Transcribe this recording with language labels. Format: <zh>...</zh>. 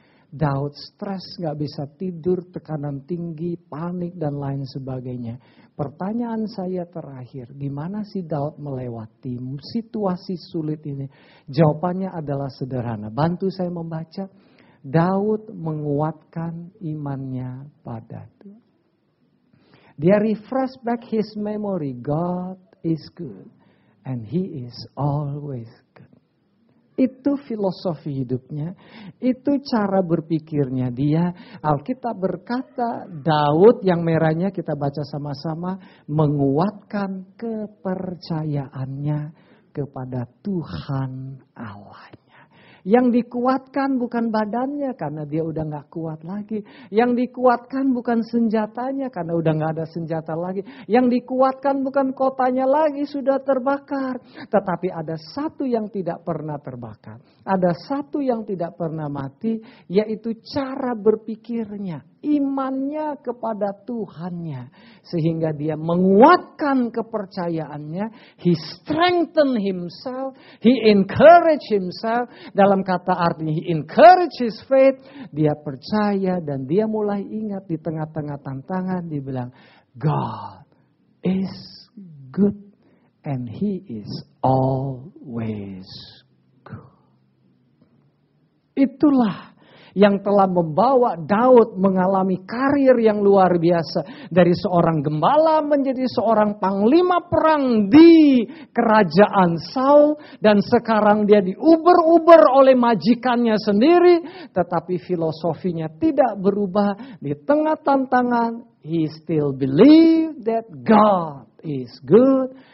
<id>Daud stres, gak bisa tidur, tekanan tinggi, panik dan lain sebagainya. Pertanyaan saya terakhir, gimana si Daud melewati situasi sulit ini? Jawabannya adalah sederhana. Bantu saya membaca. Daud menguatkan imannya pada Tuhan. Dia</id> <en>refresh back his memory. God is good. And he is always good.</en> <id>Itu filosofi hidupnya. Itu cara berpikirnya dia. Alkitab berkata Daud yang merahnya kita baca sama-sama. Menguatkan kepercayaannya kepada Tuhan Allahnya. Yang dikuatkan bukan badannya karena dia udah gak kuat lagi. Yang dikuatkan bukan senjatanya karena udah gak ada senjata lagi. Yang dikuatkan bukan kotanya lagi, sudah terbakar. Tetapi ada satu yang tidak pernah terbakar. Ada satu yang tidak pernah mati, yaitu cara berpikirnya. Imannya kepada Tuhannya. Sehingga dia menguatkan kepercayaannya.</id> <en>He strengthen himself. He encourage himself.</en> <id>Dalam kata artinya</id> <en>he encourage his faith.</en> <id>Dia percaya dan dia mulai ingat di tengah-tengah tantangan. Dia bilang,</id> <en>God is good and he is always good.</en> <id>Itulah yang telah membawa Daud mengalami karir yang luar biasa. Dari seorang gembala menjadi seorang panglima perang di kerajaan Saul. Dan sekarang dia diuber-uber oleh majikannya sendiri. Tetapi filosofinya tidak berubah. Di tengah tantangan,</id> <en>he still believe that God is good.</en>